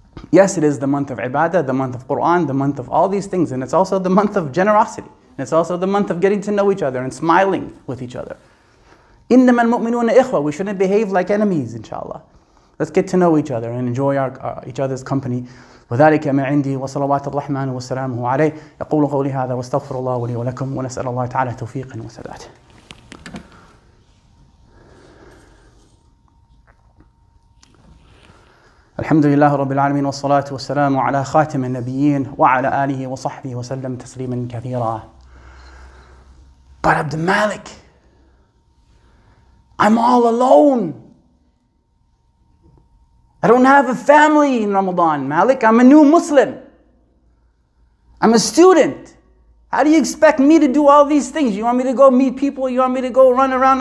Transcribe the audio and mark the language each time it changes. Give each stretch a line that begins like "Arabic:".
English: Yes, it is the month of ibadah, the month of Quran, the month of all these things. And it's also the month of generosity. And it's also the month of getting to know each other and smiling with each other.
Arabic: Innama al-mu'minuna ikhwa.
English: We shouldn't behave like enemies, inshallah. Let's get to know each other and enjoy each other's company.
Arabic: وذلك ما عندي وصلوات الرحمن والسلام عليه يقول قولي هذا واستغفر الله لي ولكم ونسأل الله تعالى توفيقا وسداد. الحمد لله رب العالمين والصلاة والسلام على خاتم النبيين وعلى آله وصحبه وسلم تسليما كثيرا.
English: But Abd Malik, I'm all alone. I don't have a family in Ramadan, Malik. I'm a new Muslim. I'm a student. How do you expect me to do all these things? You want me to go meet people? You want me to go run around?